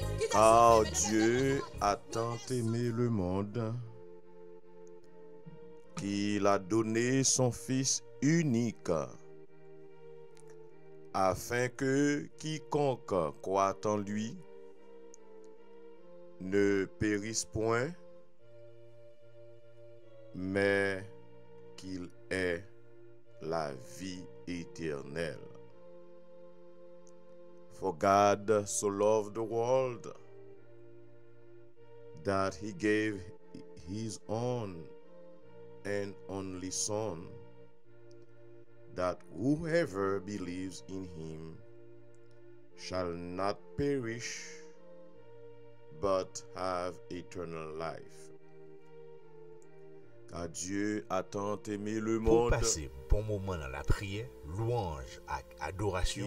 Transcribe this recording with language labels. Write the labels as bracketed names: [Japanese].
[French] Car Dieu a tant aimé le monde qu'il a donné son Fils unique afin que quiconque croit en lui ne périsse point, mais qu'il est la vie éternelle. [English] For God so loved the world that he gave his own and only Son, that whoever believes in him shall not perish but have eternal life. [French] Car Dieu a tant aimé le monde. Pour passer bon moment dans la prière, louange et adoration.